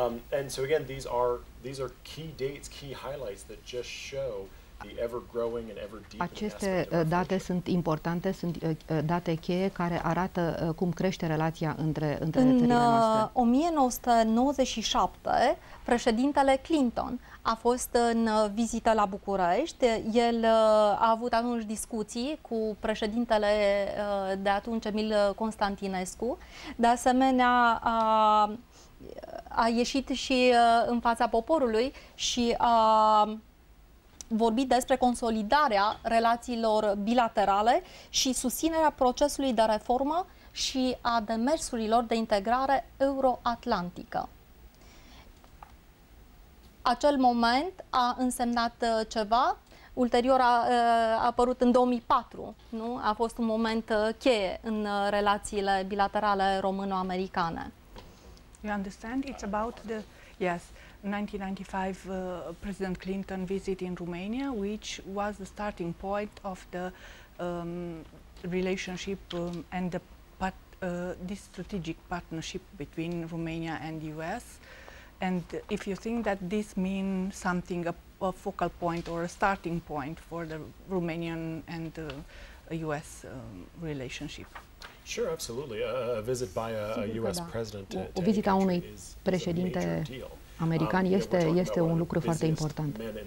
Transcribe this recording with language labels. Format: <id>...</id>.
<en>And so again, these are key dates, key highlights that just show the ever-growing and ever-deepening.</en> <ro>Aceste date sunt importante, sunt date cheie care arată cum crește relația între țările noastre. În 1997, președintele Clinton a fost în vizită la București. El a avut atunci discuții cu președintele de atunci, Emil Constantinescu. De asemenea, a ieșit și în fața poporului și a vorbit despre consolidarea relațiilor bilaterale și susținerea procesului de reformă și a demersurilor de integrare euroatlantică. Acel moment a însemnat ceva. Ulterior a apărut în 2004, nu? A fost un moment cheie în relațiile bilaterale româno-americane.</ro> <en>You understand? It's about the, yes, 1995 President Clinton visit in Romania, which was the starting point of the relationship and the this strategic partnership between Romania and US. And if you think that this means something, a focal point or a starting point for the Romanian and US relationship. Sure, absolutely. A visit by a US president.</en> <ro>O vizită a unui președinte american este un lucru foarte important.</ro>